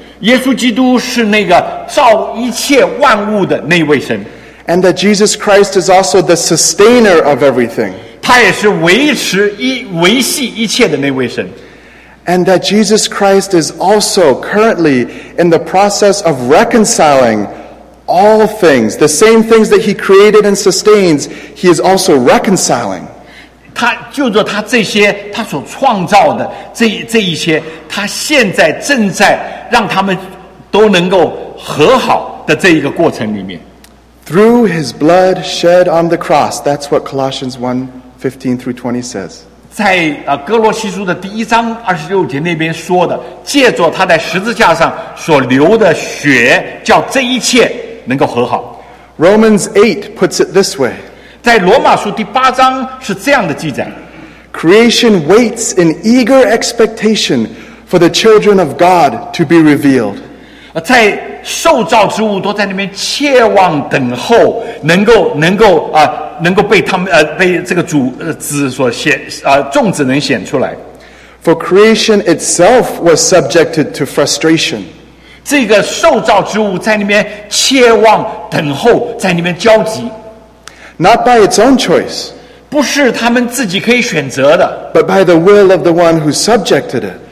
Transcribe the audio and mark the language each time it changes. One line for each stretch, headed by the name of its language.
Chinese: 耶稣基督是那个造一切万物的那位神。
English: And that Jesus Christ is also the sustainer of everything.
Chinese: 他也是维系一切的那位神。
English: And that Jesus Christ is also currently in the process of reconciling all things, the same things that He created and sustains, He is also reconciling.
Chinese: 他就着他这些他所创造的这一些，他现在正在让他们都能够和好的这一个过程里面。
English: Through His blood shed on the cross, that's what Colossians 1:15-20 says.
Chinese: 在哥罗西书的第一章二十六节那边说的，借着他在十字架上所流的血，叫这一切能够和好。
English: Romans 8 puts it this way.
Chinese: 在罗马书第八章是这样的记载。
English: Creation waits in eager expectation for the children of God to be revealed.
Chinese: 在受造之物都在那边切望等候，能够被他们被这个主子所显众子能显出来。
English: For creation itself was subjected to frustration.
Chinese: 这个受造之物在那边切望等候，在那边焦急。
English: Not by its own choice.
Chinese: 不是他们自己可以选择的。
English: But by the will of the one who subjected it.